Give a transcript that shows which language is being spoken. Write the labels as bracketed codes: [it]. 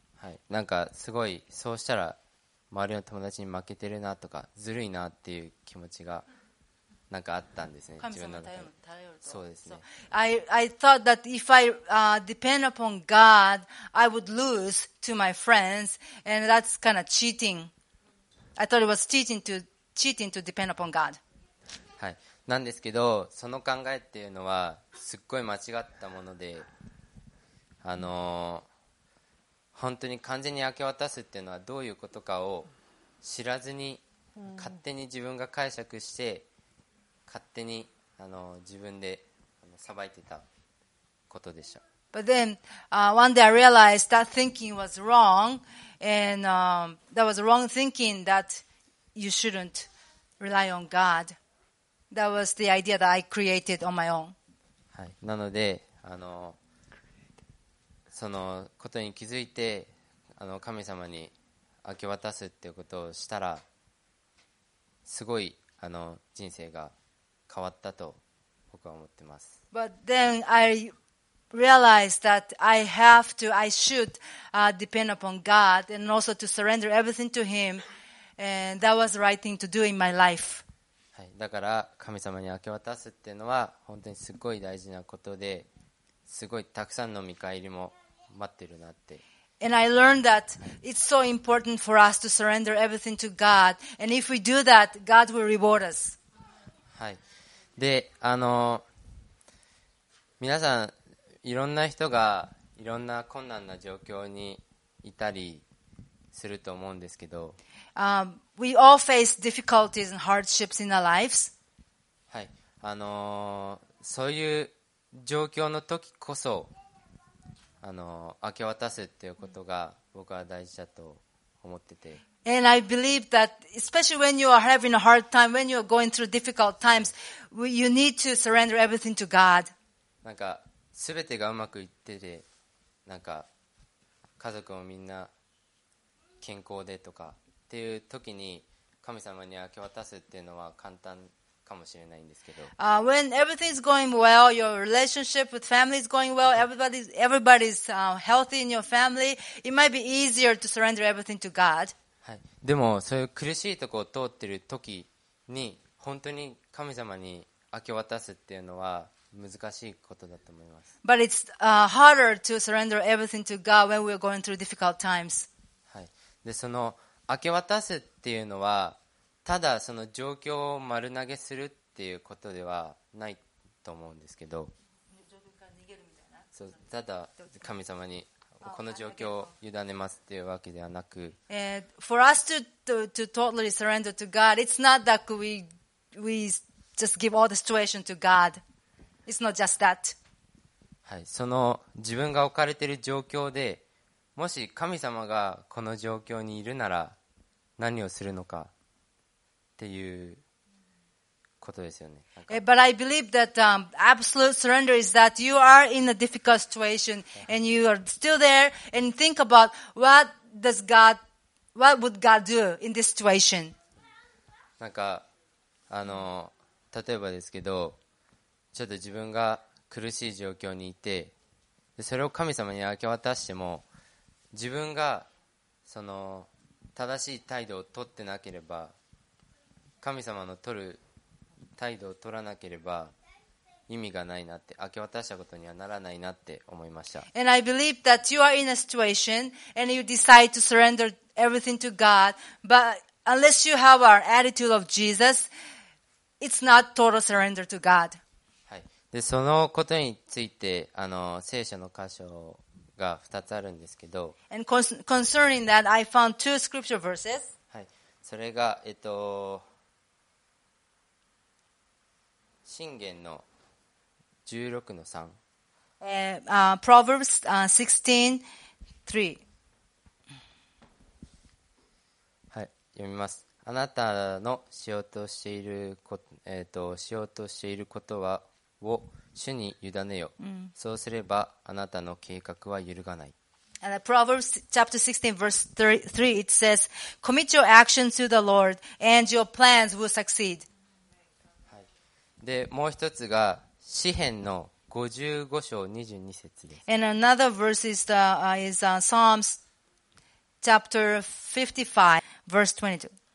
[ja] はい、なんかすごいそうしたら周りの友達に負けてるなとかずるいなっていう気持ちがなんかあったんですね。神様に頼ると。そうですね。 [en] I thought that if I depend upon God, I would lose to my friends, and that's kind of cheating. I thought it was cheating to depend upon God. [ja] はい。なんですけど、その考えっていうのはすっごい間違ったもので、本当に完全に明け渡すっていうのはどういうことかを知らずに勝手に自分が解釈して勝手に自分で裁いてたことでした。 [en] But then, one day I realized that thinking was wrong, and that was wrong thinking that you shouldn't rely on God. That was the idea that I created on my own. [ja] はい。なので、そのことに気づいて神様に明け渡すっていうことをしたらすごい人生が変わったと僕は思ってます。 [en] But then I realized that I have to, I should depend upon God and also to surrender everything to Him, and that was the right thing to do in my life. [ja] はい、だから神様に明け渡すっていうのは本当にすごい大事なことで、すごいたくさんの見返りも待ってるなって。 [en] And I learned that it's so important for us to surrender everything to God. And if we do that, God will reward us. [ja] はい。で、皆さん、いろんな人がいろんな困難な状況にいたりすると思うんですけど。 [en] We all face difficulties and hardships in our lives. [ja] はい。そういう状況の時こそ、明け渡すっていうことが僕は大事だと思ってて。 [en] And I believe that especially when you are having a hard time, when you are going through difficult times, you need to surrender everything to God. [ja] なんか全てがうまくいってて、なんか家族もみんな健康でとかっていう時に神様に明け渡すっていうのは簡単かもしれないんですけど。 [en] When everything is going well, your relationship with family is going well, everybody's healthy in your family, it might be easier to surrender everything to God. [ja] はい。でもそういう苦しいところを通ってる時に本当に神様に明け渡すっていうのは難しいことだと思います。 [en] But it's harder to surrender everything to God when we're going through difficult times. [ja] はい。でその明け渡すっていうのは、ただその状況を丸投げするっていうことではないと思うんですけど、そう、ただ神様にこの状況を委ねますっていうわけではなく、 [en] For us to totally surrender to God, it's not that we just give all the situation to God. It's not just that. [ja] はい、その自分が置かれている状況で、もし神様がこの状況にいるなら何をするのか。 [en] But I believe that absolute surrender is that you are in a difficult situation and you are still there and think about what would God do in this situation. [ja] なんか例えばですけど、ちょっと自分が苦しい状況にいて、それを神様に明け渡しても、自分がその正しい態度を取ってなければ。神様の取る態度を取らなければ意味がないなって、明け渡したことにはならないなって思いました。 [en] And I believe that you are in a situation and you decide to surrender everything to God, but unless you have an attitude of Jesus, it's not total surrender to God. [ja] はい。で、そのことについて、聖書の箇所が2つあるんですけど。 [en] And concerning that, I found two scripture verses. [ja] はい。それが、箴言の 16-3。 [en] Proverbs 16:3. [ja] はい、読みます。あなたのしようとしていること、しようとしていることはを主に委ねよ。 Mm. そうすればあなたの計画は揺るがない。 [en] And Proverbs chapter 16 verse 3 it says, "Commit your action to the Lord, and your plans will succeed." [ja] はい。で、もう一つが詩編の55章22節です。 [en] And another verse is the is Psalms chapter 55 verse 22.